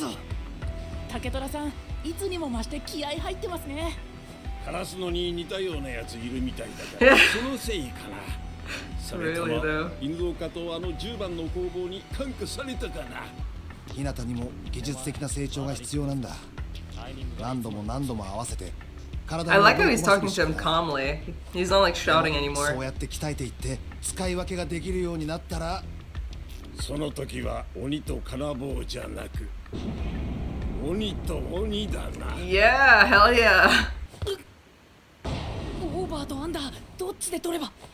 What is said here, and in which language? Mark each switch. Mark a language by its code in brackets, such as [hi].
[ja] そう、竹虎さん、いつにも増して気合い入ってますね。カラスのに似たようなやついるみたいだから、そのせいかな。それとも、犬岡とあの10番の攻防に感化されたかな。日向にも技術的な成長が必要なんだ。何度も何度も合わせて。 [en] I like how he's talking to him calmly. He's not like shouting anymore. [ja] そうやって鍛えていって使い分けができるようになったら、その時は鬼と金棒じゃなく鬼と鬼だな。 [en] Yeah, hell yeah. [ja] オーバーとアンダー、どっちで取れば？